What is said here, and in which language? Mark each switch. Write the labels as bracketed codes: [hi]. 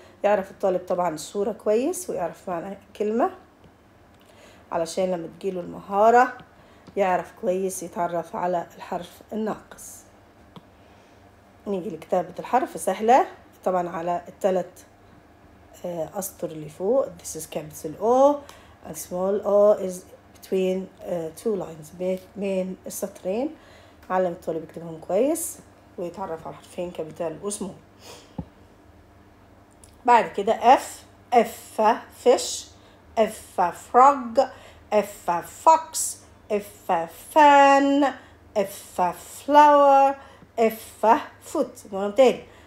[ar] يعرف الطالب طبعا الصورة كويس ويعرف معنى كلمة علشان لما تجيله المهارة يعرف كويس يتعرف على الحرف الناقص. نيجي لكتابة الحرف سهلة طبعا على التلات أسطر اللي فوق. [en] This is capital O. A small O is between two lines [ar] بين السطرين. علم الطالب يكتبهم كويس ويتعرف على حرفين كابيتال وسمول. بعد كده [en] F. F fish, F frog, F fox, F fan, F flower, F foot. [ar] مرة تاني.